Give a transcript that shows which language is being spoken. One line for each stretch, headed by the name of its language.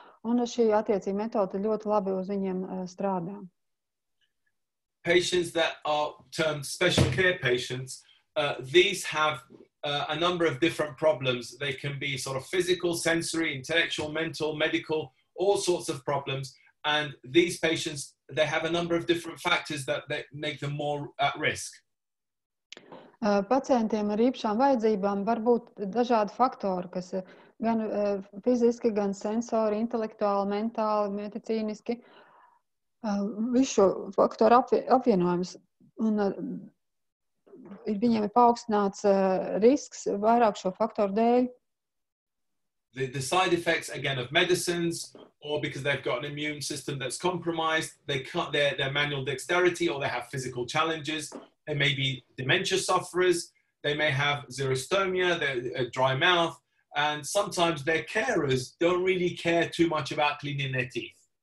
Latvian: Un šī attiecīga metode ļoti labi uz viņiem strādā.
English: Patients that are termed special care patients, these have a number of different problems. They can be sort of physical, sensory, intellectual, mental, medical, all sorts of problems. And these patients, they have a number of different factors that make them more at risk.
Latvian: Pacientiem ar īpašām vajadzībām var būt dažādi faktori, kas gan fiziski, gan sensori, intelektuāli, mentāli, medicīniski. Visu faktoru apvienojums. Un viņiem ir paaugstināts risks vairāk šo faktoru dēļ.
English: The side effects again of medicines, or because they've got an immune system that's compromised, they cut their manual dexterity, or they have physical challenges, they may be dementia sufferers, they may have xerostomia, a dry mouth, and sometimes their carers don't really care too much about cleaning their teeth.